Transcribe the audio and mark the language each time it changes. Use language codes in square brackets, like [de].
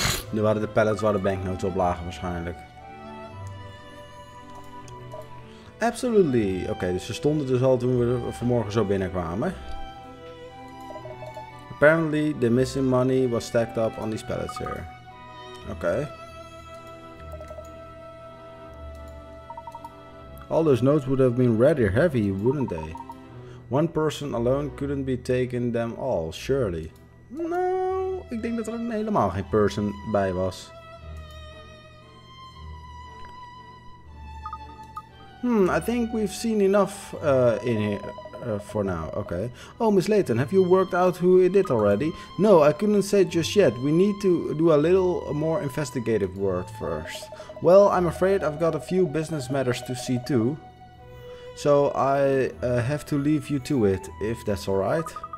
[nl] Nu waren de pallets waar de banknoten op lagen waarschijnlijk. [en] Absolutely. [nl] Oké, dus ze stonden dus al toen we vanmorgen zo binnenkwamen. [en] Apparently the missing money was stacked up on these pallets here. Oké. All those notes would have been rather heavy, wouldn't they? One person alone couldn't be taking them all, surely. No, [nl] ik denk dat er helemaal geen person bij was. [en] I think we've seen enough in here for now. Okay. Oh, Miss Layton, have you worked out who it did already? No, I couldn't say just yet. We need to do a little more investigative work first. Well, I'm afraid I've got a few business matters to see too. So I have to leave you to it, if that's all right.